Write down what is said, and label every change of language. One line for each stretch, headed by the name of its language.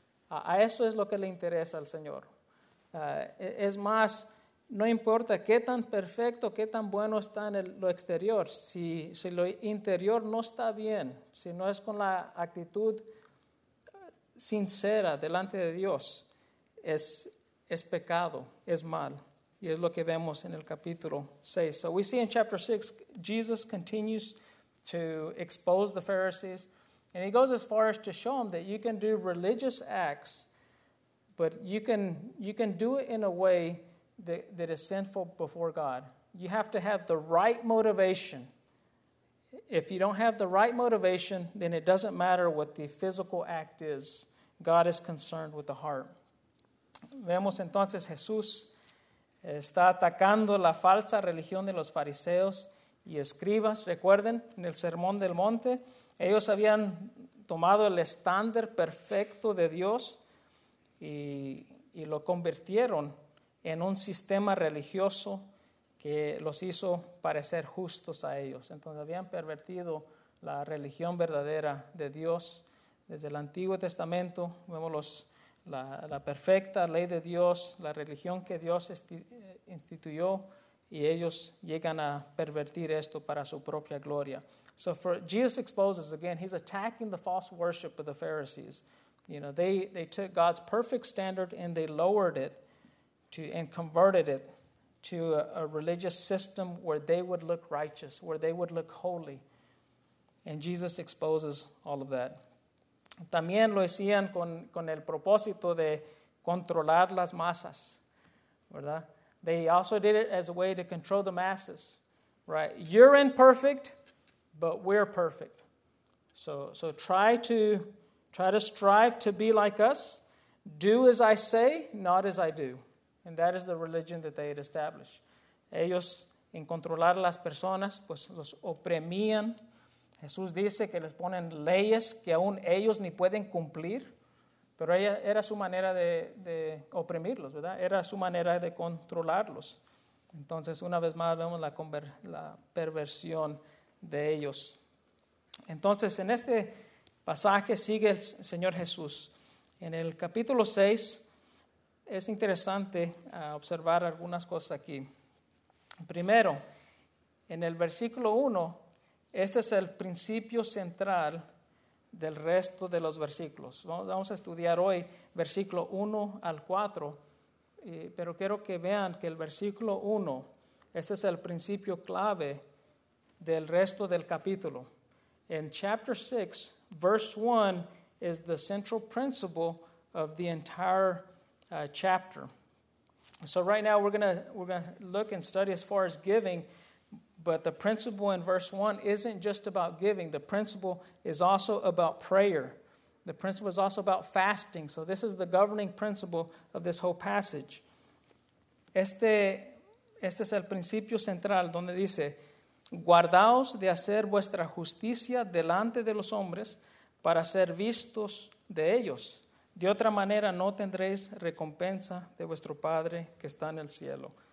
Spanish: A eso es lo que le interesa al Señor. Es más, no importa qué tan perfecto, qué tan bueno está en lo exterior. Si lo interior no está bien, si no es con la actitud sincera delante de Dios, es pecado, es mal. Y es lo que vemos en el capítulo 6.
English: So we see in chapter 6, Jesus continues to expose the Pharisees, and he goes as far as to show them that you can do religious acts, but you can do it in a way that is sinful before God. You have to have the right motivation. If you don't have the right motivation, then it doesn't matter what the physical act is. God is concerned with the heart.
Spanish: Vemos entonces Jesús está atacando la falsa religión de los fariseos y escribas. Recuerden, en el Sermón del Monte, ellos habían tomado el estándar perfecto de Dios y lo convirtieron en un sistema religioso que los hizo parecer justos a ellos. Entonces habían pervertido la religión verdadera de Dios. Desde el Antiguo Testamento vemos la perfecta ley de Dios, la religión que Dios instituyó, y ellos llegan a pervertir esto para su propia gloria.
English: So for Jesus exposes again, he's attacking the false worship of the Pharisees. You know, they took God's perfect standard and they lowered it to and converted it to a religious system where they would look righteous, where they would look holy. And Jesus exposes all of that.
Spanish: También lo hacían con el propósito de controlar las masas, ¿verdad?
English: They also did it as a way to control the masses, right? You're imperfect, but we're perfect. So try to strive to be like us. Do as I say, not as I do. And that is the religion that they had established.
Spanish: Ellos, en controlar a las personas, pues los oprimían. Jesús dice que les ponen leyes que aún ellos ni pueden cumplir. Pero ella, era su manera de oprimirlos, ¿verdad? Era su manera de controlarlos. Entonces, una vez más, vemos la perversión de ellos. Entonces, en este pasaje sigue el Señor Jesús. En el capítulo 6, es interesante observar algunas cosas aquí. Primero, en el versículo 1, este es el principio central del resto de los versículos. Vamos a estudiar hoy versículo 1 al 4, pero quiero que vean que el versículo 1, este es el principio clave del resto del capítulo.
English: In chapter 6, verse 1 is the central principle of the entire chapter. So right now we're gonna look and study as far as giving, but the principle in verse 1 isn't just about giving. The principle is also about prayer. The principle is also about fasting. So this is the governing principle of this whole passage.
Spanish: Este es el principio central donde dice: guardaos de hacer vuestra justicia delante de los hombres para ser vistos de ellos. De otra manera no tendréis recompensa de vuestro Padre que está en el cielo.